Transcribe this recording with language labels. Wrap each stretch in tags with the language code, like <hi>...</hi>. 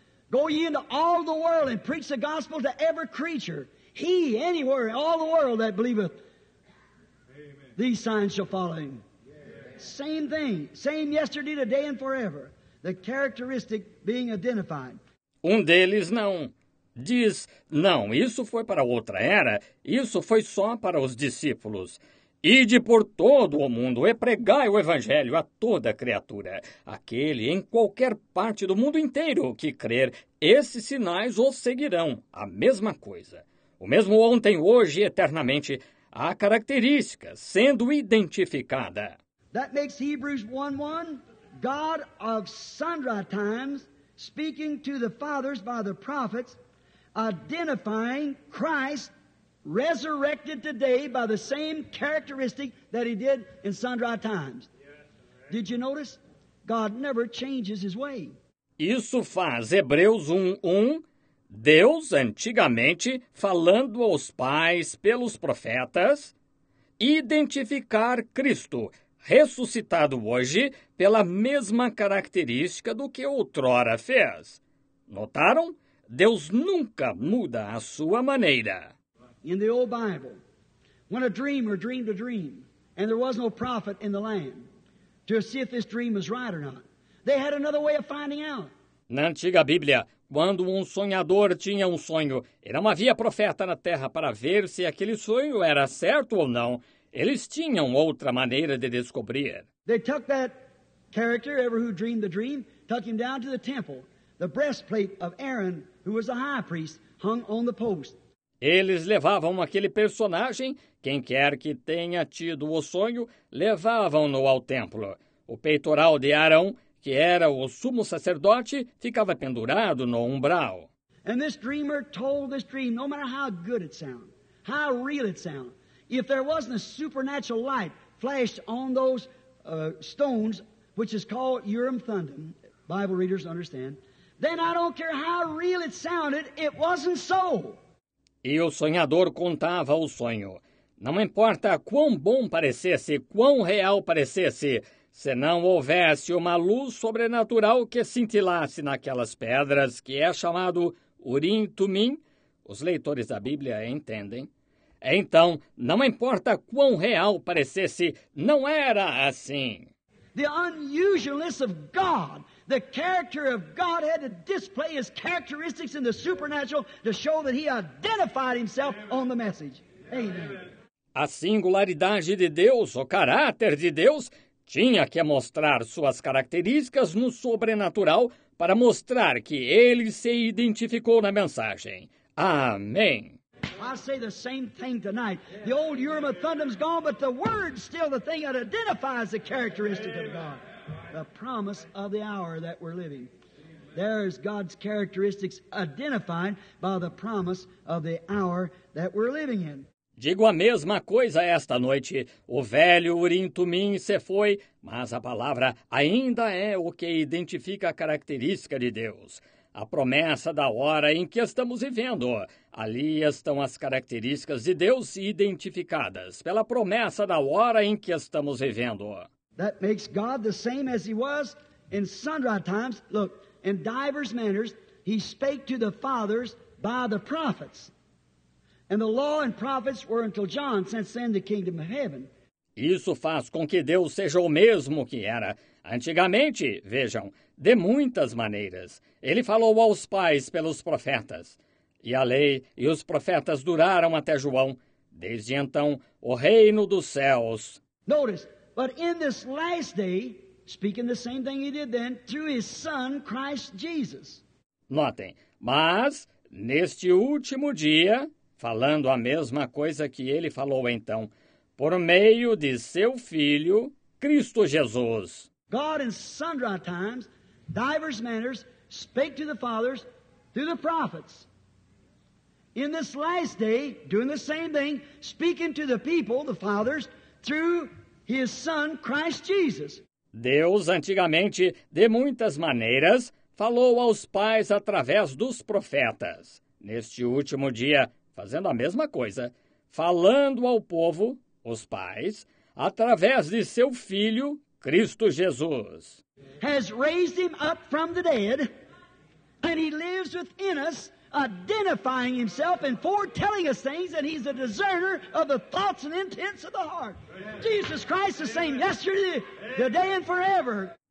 <en>Go ye into all the world and preach the gospel to every creature. He, anywhere, all the world that believeth. Amen. These signs shall follow him. Yeah. Same thing, same yesterday, today and forever. The characteristic being identified.</en> <pt>Um deles não. Diz, não, isso foi para outra era, isso foi só para os discípulos. Ide por todo o mundo e pregai o evangelho a toda criatura. Aquele em qualquer parte do mundo inteiro que crer, esses sinais o seguirão. A mesma coisa. O mesmo ontem, hoje e eternamente, a característica sendo identificada.</pt> <en>That makes Hebrews 1:1, God of sundry times, speaking to the fathers by the prophets, identifying Christ resurrected today by the same characteristic that he did in sundry times. Did you notice? God never changes his way.</en> <pt>Isso faz Hebreus 1:1, Deus antigamente falando aos pais pelos profetas, identificar Cristo ressuscitado hoje pela mesma característica do que outrora fez. Notaram? Deus nunca muda a sua maneira.</pt> <en>In the old Bible, when a dreamer dreamed a dream, and there was no prophet in the land to see if this dream was right or not, they had another way of finding out.</en> <pt>Na antiga Bíblia, quando um sonhador tinha um sonho, e não havia profeta na terra para ver se aquele sonho era certo ou não, eles tinham outra maneira de descobrir.</pt> <en>They took that character, ever who dreamed the dream, took him down to the temple. The breastplate of Aaron, who was a high priest, hung on the post.</en> <pt>Eles levavam aquele personagem, quem quer que tenha tido o sonho, levavam-no ao templo. O peitoral de Arão, que era o sumo sacerdote, ficava pendurado no umbral.</pt> <en>And this dreamer told this dream, no matter how good it sounded, how real it sounded, if there wasn't a supernatural light flashed on those stones, which is called Urim Thummim, Bible readers understand, then I don't care how real it sounded, it wasn't so.</en> <pt>E o sonhador contava o sonho. Não importa quão bom parecesse, quão real parecesse, se não houvesse uma luz sobrenatural que cintilasse naquelas pedras, que é chamado Urim Tumim, os leitores da Bíblia entendem, Então, não importa quão real parecesse, não era assim.</pt> <en>The unusualness of God, the character of God had to display his characteristics in the supernatural to show that he identified himself on the message. Amen.</en> <pt>A singularidade de Deus, o caráter de Deus, tinha que mostrar suas características no sobrenatural para mostrar que ele se identificou na mensagem. Amém.</pt> <en>I say the same thing tonight. The old Urim and Thummim's gone, but the word's still the thing that identifies the characteristic of God. The promise of the hour that we're living. There's God's characteristics identified by the promise of the hour that we're living in.</en> <pt>Digo a mesma coisa esta noite. O velho Urim Tumim se foi, mas a palavra ainda é o que identifica a característica de Deus. A promessa da hora em que estamos vivendo. Ali estão as características de Deus identificadas pela promessa da hora em que estamos vivendo.</pt> <en>That makes God the same as he was in sundry times. Look, in divers manners, he spake to the fathers by the prophets. And the law and prophets were until John, since then the kingdom of heaven.</en> <pt>Isso faz com que Deus seja o mesmo que era antigamente, vejam, de muitas maneiras. Ele falou aos pais pelos profetas. E a lei e os profetas duraram até João. Desde então, o reino dos céus.</pt> <en>Notice, but in this last day, speaking the same thing he did then, through his son, Christ Jesus.</en> <pt>Notem, mas neste último dia, falando a mesma coisa que ele falou então, por meio de seu Filho, Cristo Jesus.</pt> <en>God in sundry times, divers manners, spake to the fathers through the prophets. In this last day, doing the same thing, speaking to the people, the fathers, through his Son, Christ Jesus.</en> <pt>Deus antigamente, de muitas maneiras, falou aos pais através dos profetas. Neste último dia, fazendo a mesma coisa, falando ao povo, os pais, através de seu Filho, Cristo Jesus.</pt> <en>Has raised him up from the dead, and he lives within us, identifying himself and foretelling us things, and he's a discerner of the thoughts and intents of the heart. Jesus Christ, the same yesterday, today, and forever.</en>